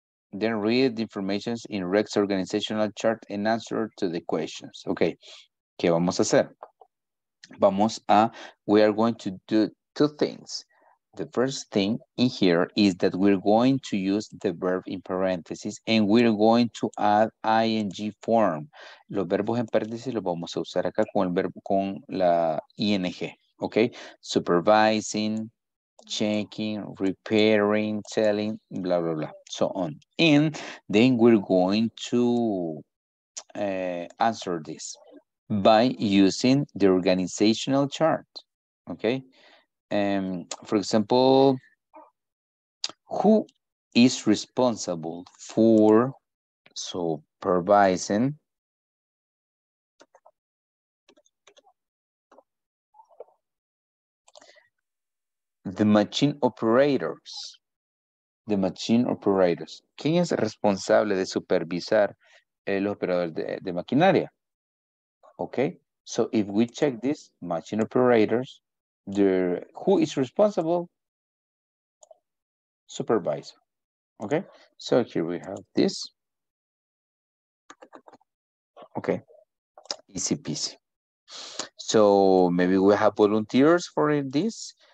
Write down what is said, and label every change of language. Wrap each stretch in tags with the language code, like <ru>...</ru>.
<en>Then read the information in Rex organizational chart and answer to the questions.</en> <es>Okay, ¿qué vamos a hacer?</es> <en>We are going to do two things. The first thing in here is that we're going to use the verb in parentheses and we're going to add ing form.</en> <es>Los verbos en paréntesis los vamos a usar acá con el verbo con la ing, okay?</es> <en>Supervising, checking, repairing, telling, blah, blah, blah, so on. And then we're going to answer this by using the organizational chart, okay? For example, who is responsible for supervising the machine operators? The machine operators.</en> <es>¿Quién es responsable de supervisar el operador de maquinaria?</es> <en>Okay, so if we check this, machine operators, who is responsible? Supervisor. Okay, so here we have this. Okay, easy peasy. So maybe we have volunteers for this.</en>